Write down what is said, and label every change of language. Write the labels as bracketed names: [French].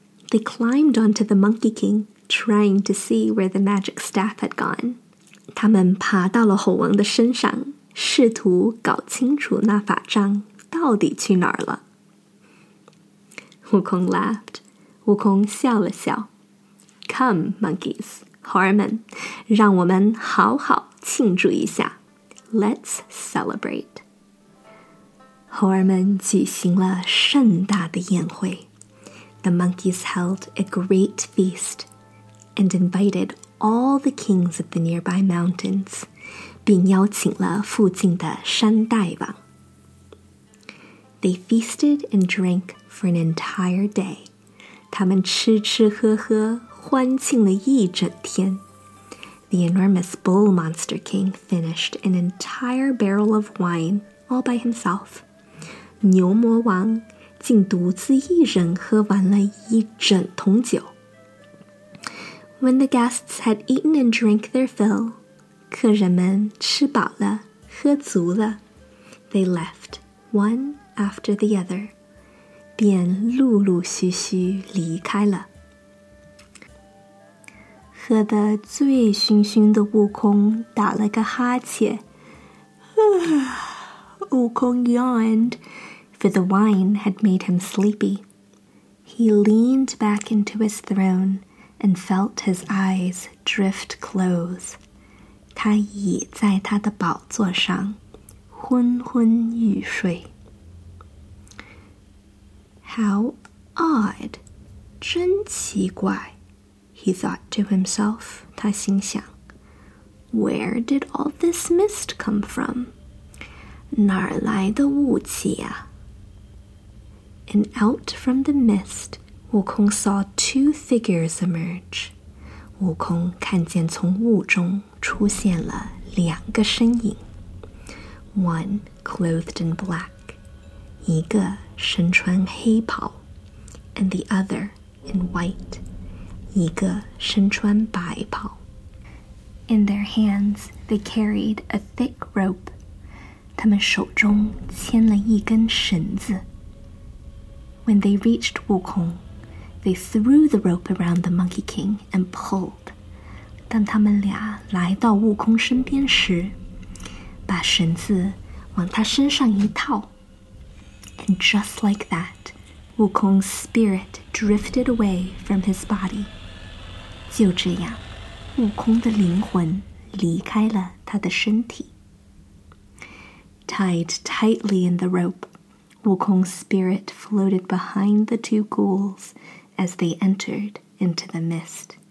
[English] They climbed onto the Monkey King, trying to see where the magic staff had gone. [Chinese] 他们爬到了猴王的身上，试图搞清楚那法杖到底去哪儿了。悟空 [English] laughed. [Chinese] 悟空笑了笑。 [English] Come, monkeys, Harmon, [Chinese] 让我们好好庆祝一下。 [English] Let's celebrate. [Chinese] 猴儿们举行了盛大的宴会。 [English] The monkeys held a great feast and invited all the kings of the nearby mountains, [Chinese] 并邀请了附近的山大王。 [English] They feasted and drank for an entire day. [Chinese] 他们吃吃喝喝欢庆了一整天。 [English] The enormous bull monster king finished an entire barrel of wine all by himself. [Chinese] 牛魔王竟独自一人喝完了一整桶酒。 [English] When the guests had eaten and drank their fill, [Chinese] 客人们吃饱了，喝足了， [English] they left one after the other, [Chinese] 便陆陆续续离开了。喝得醉醺醺的悟空打了个哈欠。 [English] 悟空 yawned, for the wine had made him sleepy. He leaned back into his throne and felt his eyes drift close. [Chinese] 他倚在他的宝座上昏昏欲睡。 [English] How odd, [Chinese] 真奇怪。 [English] He thought to himself, [Chinese] 他心想, [English] Where did all this mist come from? [Chinese] 哪儿来的雾气啊? [English] And out from the mist, 悟空 saw two figures emerge. [Chinese] 悟空看见从雾中出现了两个身影。 [English] One clothed in black, [Chinese] 一个身穿黑袍, [English] and the other in white. [Chinese] 一个身穿白袍。 [English] In their hands, they carried a thick rope. [Chinese] 他们手中牵了一根绳子。 [English] When they reached Wukong, they threw the rope around the Monkey King and pulled. [Chinese] 当他们俩来到悟空身边时，把绳子往他身上一套。 [English] And just like that, Wukong's spirit drifted away from his body. [Chinese] 就这样，悟空的灵魂离开了他的身体。 [English] Tied tightly in the rope, Wukong's spirit floated behind the two ghouls as they entered into the mist.